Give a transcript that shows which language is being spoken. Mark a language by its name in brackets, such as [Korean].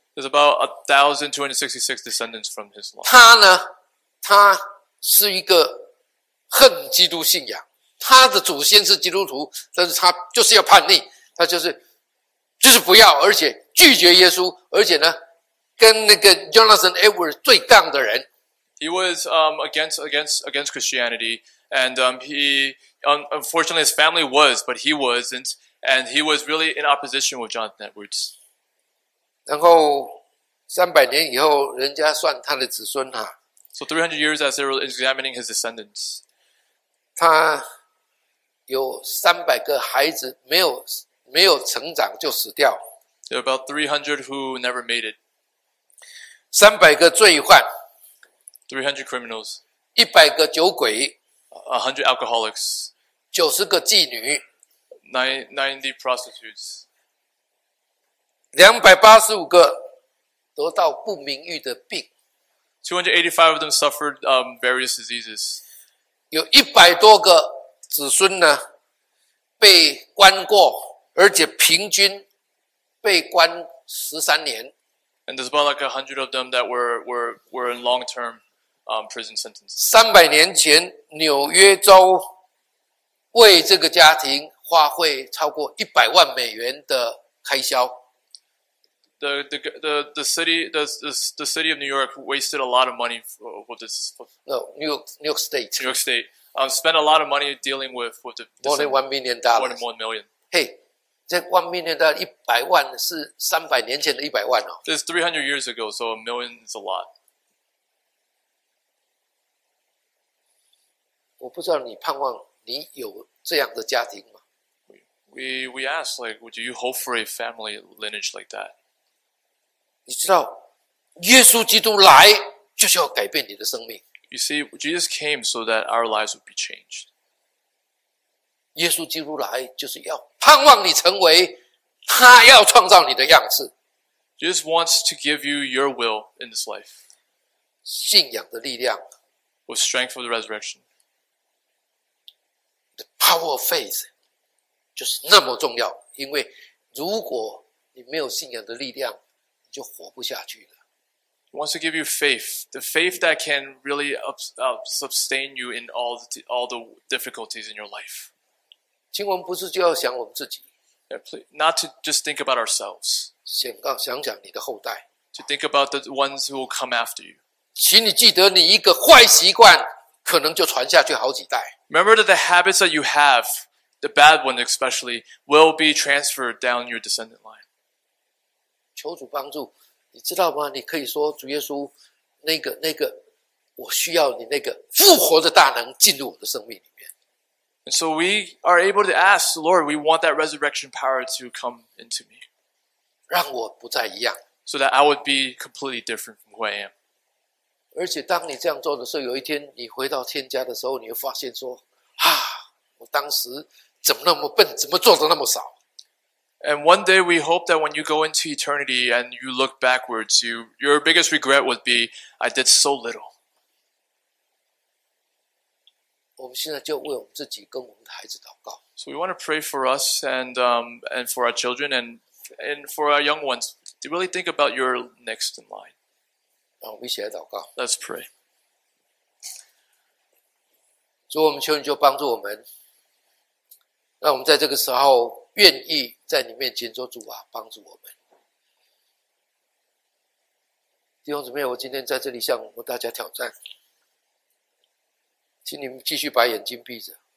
[English] There's about 1,266 descendants from his line. [Chinese] 他呢，他是一个恨基督信仰。他的祖先是基督徒，但是他就是要叛逆，他就是不要，而且拒绝耶稣，而且呢。跟那个 Jonathan Edwards 对杠的人 [English] ，He was against Christianity, and he unfortunately his family was, but he wasn't, and he was really in opposition with Jonathan Edwards. [Chinese] 然后300年以后，人家算他的子孙哈。 [English] So 300 years as they were examining his descendants, [Chinese] 他有300个孩子没有成长就死掉。 [English] There are about 300 who never made it. [Chinese] 300个罪犯 [English] ,300 criminals, [Chinese] 100个酒鬼 [English] ,100 alcoholics, [Chinese] 90个妓女 [English] ,90 prostitutes, [Chinese] 285个得到不名誉的病 [English] ,285 of them suffered various diseases, [Chinese] 有100多个子孙呢被关过，而且平均被关13年。 [English] And there's about like 100 of them that were in long-term prison sentences. [Chinese] 300年前，纽约州为这个家庭花费超过$1,000,000的开销。 [English] The city of New York wasted a lot of money for this. New York State. New York State spent a lot of money dealing with the more than $1,000,000. More than $1,000,000. Hey, that $1,000,000 [Chinese] 一百万是三百年前的一百万哦。 [English] This is 300 years ago, so $1,000,000 is a lot. [Chinese] 我不知道你盼望你有这样的家庭吗 [English] ？We ask like, would you hope for a family lineage like that? [Chinese] 你知道，耶稣基督来就是要改变你的生命。 [English] You see, Jesus came so that our lives would be changed. [Chinese] 耶稣基督来就是要盼望你成为他要创造你的样式。 [English] Jesus wants to give you your will in this life. [Chinese] 信仰的力量。 [English] With strength of the resurrection. The power of faith [Chinese] 就是那么重要，因为如果你没有信仰的力量。就活不下去了。 [English] He wants to give you faith, the faith that can really sustain you in all the difficulties in your life. [Chinese] 经文不是就要想我们自己 [English] yeah, please, ，not to just think about ourselves. [Chinese] 想想你的后代 [English] ，to think about the ones who will come after you. [Chinese] 请你记得，你一个坏习惯可能就传下去好几代。 [English] Remember that the habits that you have, the bad one especially, will be transferred down your descendant line. [Chinese] 求主帮助，你知道吗？你可以说主耶稣，那个，我需要你那个复活的大能进入我的生命里面。 [English] And so we are able to ask, Lord, we want that resurrection power to come into me. [Chinese] 让我不再一样。 [English] So that I would be completely different from who I am. [Chinese] 而且当你这样做的时候，有一天你回到天家的时候，你会发现说，我当时怎么那么笨，怎么做的那么少。 [English] And one day we hope that when you go into eternity and you look backwards, your biggest regret would be, I did so little. [Chinese] 我们现在就为我们自己跟我们的孩子祷告。 [English] So we want to pray for us and for our children and for our young ones. Do you really think about your next in line? [Chinese] 我们一起来祷告。 [English] Let's pray. [Chinese] 主，我们求你就帮助我们，让我们在这个时候愿意在你面前做主啊，帮助我们。弟兄姊妹，我今天在这里向我们大家挑战，请你们继续把眼睛闭着。